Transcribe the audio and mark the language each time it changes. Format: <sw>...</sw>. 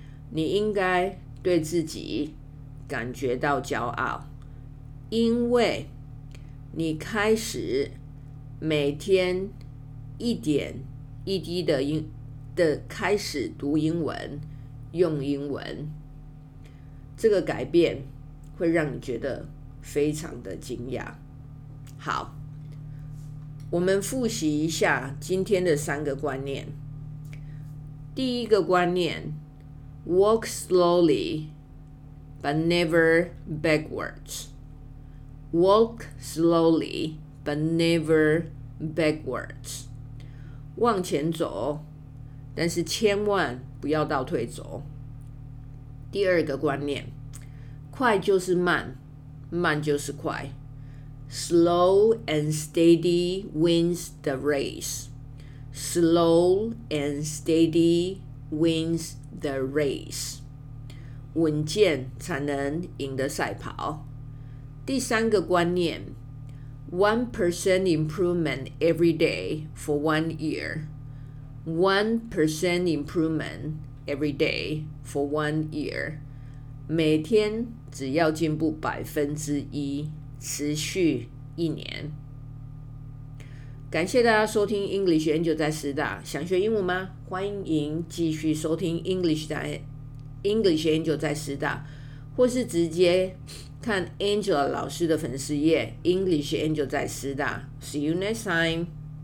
<zh>你应该对自己感觉到骄傲，因为你开始每天一点一滴的开始读英文，用英文，这个改变会让你觉得非常的惊讶。好，我们复习一下今天的三个观念。第一个观念 ，</zh> <en>Walk slowly。 But never backwards. Walk slowly, but never backwards.</en> <zh>往前走，但是千万不要倒退走。第二个观念，快就是慢，慢就是快。</zh> <en>Slow and steady wins the race. Slow and steady wins the race.</en> <zh>稳健才能赢得赛跑。第三个观念</zh> <en>1% improvement every day for 1 year 1% improvement every day for 1 year.</en> <zh>每天只要进步1%，持续一年。感谢大家收听 English 研究在师大。想学英文吗？欢迎继续收听 English 研究在师大，或是直接看 Angela 老师的粉丝页 English 研究在师大。</zh> <en>See you next time.</en>